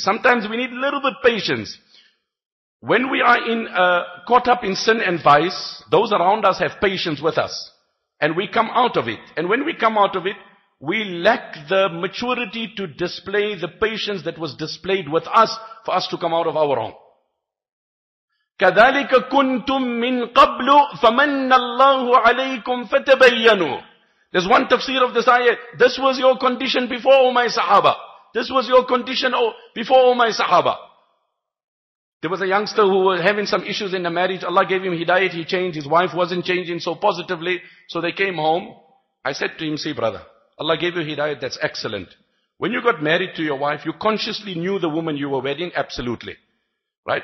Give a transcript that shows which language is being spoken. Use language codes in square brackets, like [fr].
[en] Sometimes we need a little bit patience. When we are caught up in sin and vice, those around us have patience with us. And we come out of it. And when we come out of it, we lack the maturity to display the patience that was displayed with us for us to come out of our wrong. [ar] كَذَلِكَ كُنْتُمْ مِنْ قَبْلُ فَمَنَّ اللَّهُ عَلَيْكُمْ فَتَبَيَّنُوا [en] There's one tafsir of this ayah. This was your condition before, O my Sahaba. This was your condition before all my Sahaba. There was a youngster who was having some issues in the marriage. Allah gave him hidayat, he changed. His wife wasn't changing so positively. So they came home. I said to him, see brother, Allah gave you hidayat, that's excellent. When you got married to your wife, you consciously knew the woman you were wedding? Absolutely. Right?